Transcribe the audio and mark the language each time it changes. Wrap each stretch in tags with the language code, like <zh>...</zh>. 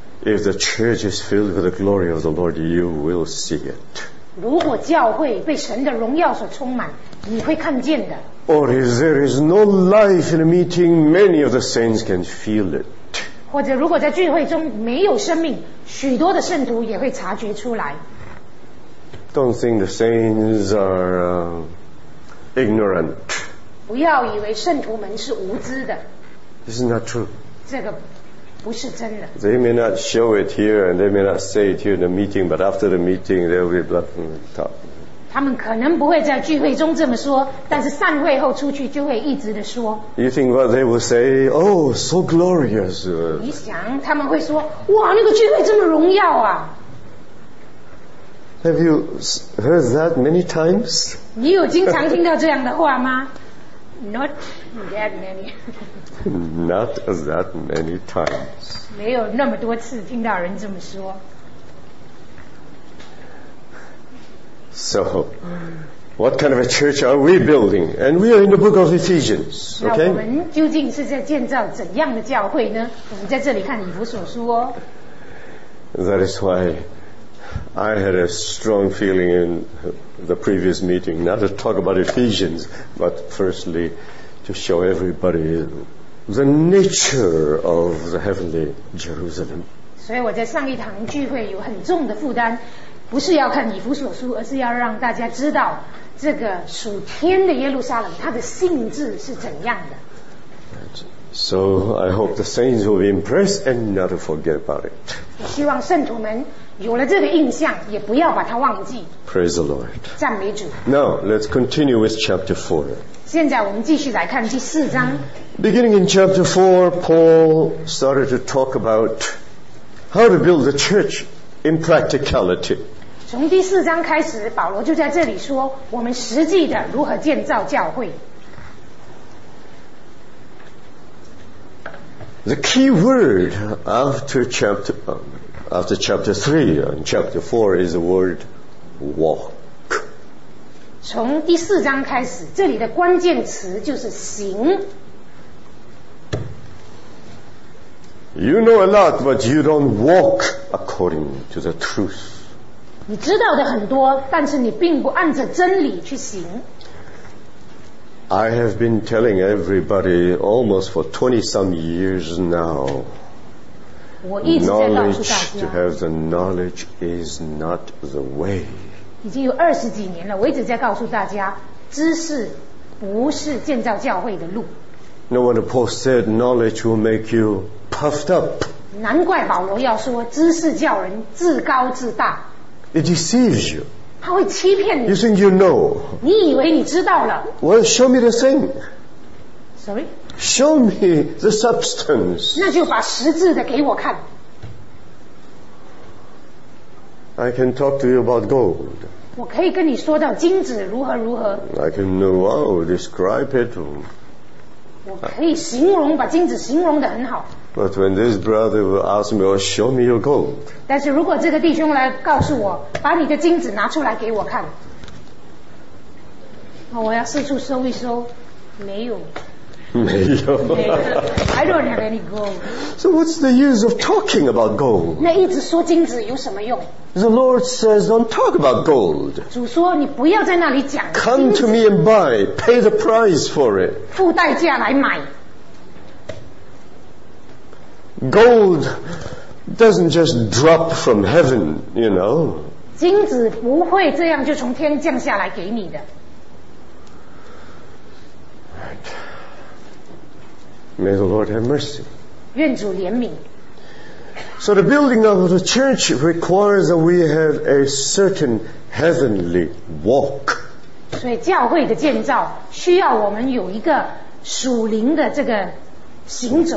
<en>If the church is filled with the glory of the Lord, you will see it.</en> <zh>如果教会被神的荣耀所充满，你会看见的。</zh> <en>Or if there is no life in a meeting, many of the saints can feel it.</en> <zh>或者如果在聚会中没有生命，许多的圣徒也会察觉出来。</zh> <en>Don't think the saints are ignorant.</en> <zh>不要以为圣徒们是无知的。</zh> <en>Isn't that true?</en> <zh>这个不是真的。</zh> <en>They may not show it here, and they may not say it here in the meeting, but after the meeting, there will be blood from the top.</en> <zh>他们可能不会在聚会中这么说，但是散会后出去就会一直的说。</zh> <en>You think what they will say? Oh, so glorious!</en> <zh>你想他们会说，哇，那个聚会这么荣耀啊！</zh> <en>Have you heard that many times?</en> <zh>你有经常听到这样的话吗？</zh> <en>Not that many. Not that many times.</en> <zh>没有那么多次听到人这么说。</zh> <en>So, what kind of a church are we building? And we are in the book of Ephesians, okay?</en> <zh>那我们究竟是在建造怎样的教会呢？我们在这里看以弗所书哦。</zh> <en>That is why I had a strong feeling in the previous meeting not to talk about Ephesians, but firstly to show everybody the nature of the heavenly Jerusalem.</en> <zh>所以我在上一堂聚会有很重的负担，不是要看以弗所书，而是要让大家知道这个属天的耶路撒冷它的性质是怎样的。</zh> <en>So I hope the saints will be impressed and not to forget about it.</en> <zh>我希望圣徒们有了这个印象，也不要把它忘记。</zh> <en>Praise the Lord.</en> <zh>赞美主。</zh> <en>Now let's continue with chapter 4.</en> <zh>现在我们继续来看第四章。</zh> <en>Beginning in chapter 4, Paul started to talk about how to build the church in practicality.</en> <zh>从第四章开始，保罗就在这里说，我们实际的如何建造教会。</zh> <en>The key word after chapter 3 and chapter 4 is the word walk.</en> <zh>从第四章开始，这里的关键词就是行。</zh> <en>You know a lot, but you don't walk according to the truth.</en> <zh>你知道的很多，但是你并不按着真理去行。</zh> <en>I have been telling everybody almost for 20 some years now, knowledge, to have the knowledge is not the way.</en> <zh>已经有二十几年了，我一直在告诉大家，知识不是建造教会的路。</zh> <en>No wonder Paul said knowledge will make you puffed up.</en> <zh>难怪保罗要说知识叫人自高自大。</zh> <en>It deceives you.</en> <zh>他会欺骗你。</zh> <en>You think you know.</en> <zh>你以为你知道了。</zh> <en>Well, show me the thing. Sorry? Show me the substance.</en> <zh>那就把实质的给我看。</zh> <en>I can talk to you about gold.</en> <zh>我可以跟你说到金子如何如何。</zh> <en>I can know, oh, describe it.</en> <zh>我可以形容，把金子形容得很好。</zh> <en>But when this brother will ask me, oh, show me your gold.</en> <zh>但是如果这个弟兄来告诉我，把你的金子拿出来给我看，我要四处搜一搜，没有。没有。</zh> <en>I don't have any gold. So what's the use of talking about gold?</en> <zh>那一直说金子有什么用？</zh> <en>The Lord says, don't talk about gold.</en> <zh>主说你不要在那里讲金子。</zh> <en>Come to me and buy, pay the price for it.</en> <zh>付代价来买。</zh> <en>Gold doesn't just drop from heaven, you know.</en> <zh>金子不会这样就从天降下来给你的。</zh> <en>May the Lord have mercy.</en> <zh>愿主怜悯。</zh> <en>So the building of the church requires that we have a certain heavenly walk.</en> <zh>所以教会的建造需要我们有一个属灵的这个行走，</zh>